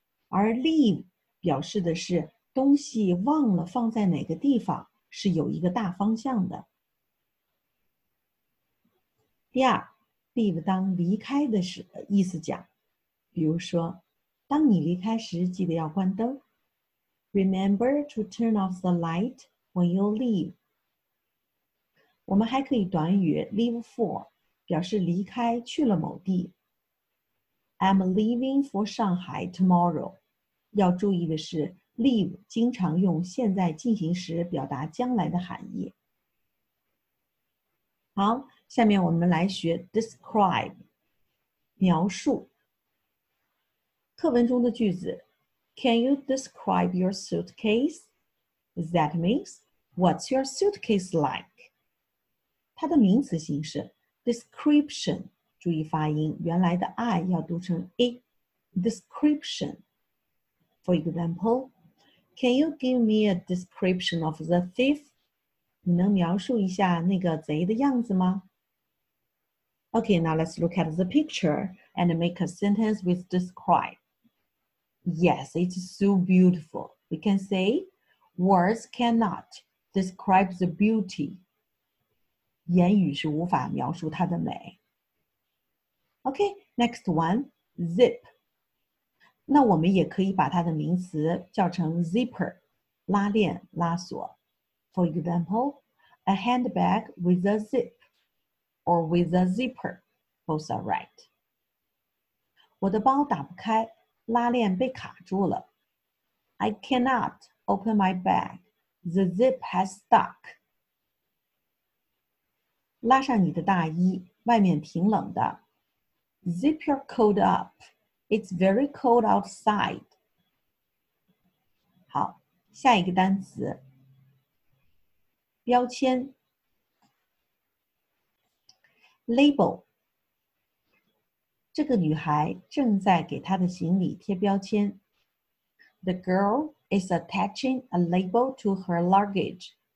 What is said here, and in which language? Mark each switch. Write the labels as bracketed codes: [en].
[zh] 而 leave 表示的是东西忘了放在哪个地方，是有一个大方向的。第二 ,leave 当离开的时意思讲，比如说当你离开时记得要关灯。 [en] Remember to turn off the light when you leave. [zh] 我们还可以短语 leave for, 表示离开去了某地。 [en] I'm leaving for Shanghai tomorrow. [zh] 要注意的是 leave 经常用现在进行时表达将来的含义。好，下面我们来学 describe, 描述。课文中的句子 [en] Can you describe your suitcase? That means, what's your suitcase like? [zh] 它的名词形式 description, 注意发音，原来的 I 要读成 A, description. [en] For example, Can you give me a description of the thief? [zh] 你能描述一下那个贼的样子吗？ [en] Okay, now let's look at the picture and make a sentence with describe. Yes, it's so beautiful. We can say words cannot describe the beauty. [zh] 言语是无法描述它的美。 [en] Okay, next one, zip. [zh] 那我们也可以把它的名词叫成 zipper, 拉链、拉锁。 [en] For example, a handbag with a zip or with a zipper, both are right. [zh] 我的包打不开，拉链被卡住了。 [en] I cannot open my bag. The zip has stuck. [zh] 拉上你的大衣，外面挺冷的。 [en] Zip your coat up. It's very cold outside. [zh] 好，下一个单词。标签。 [en] Label。 [zh] 这个女孩正在给她的行李贴标签。 [en] The girl is attaching a label to her luggage.